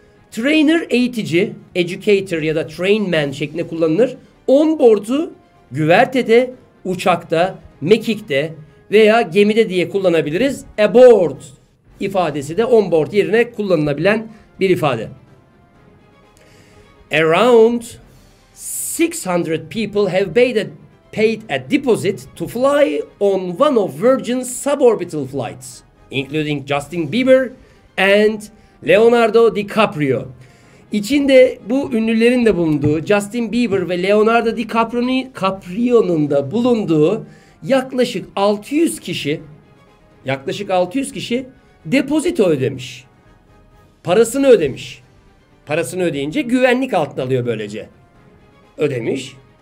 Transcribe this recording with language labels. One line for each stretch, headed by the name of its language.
Turkish: Trainer, eğitici, educator ya da trainman şeklinde kullanılır. On board'u güvertede, uçakta, mekikte veya gemide diye kullanabiliriz. Aboard ifadesi de on board yerine kullanılabilen bir ifade.
English: Around 600 people have paid a deposit to fly on one of Virgin's suborbital flights, including Justin Bieber and Leonardo DiCaprio.
Turkish: İçinde bu ünlülerin de bulunduğu, Justin Bieber ve Leonardo DiCaprio'nun da bulunduğu yaklaşık 600 kişi depozito ödemiş. Parasını ödemiş. Parasını ödeyince güvenlik altına alıyor böylece. Ödemiş.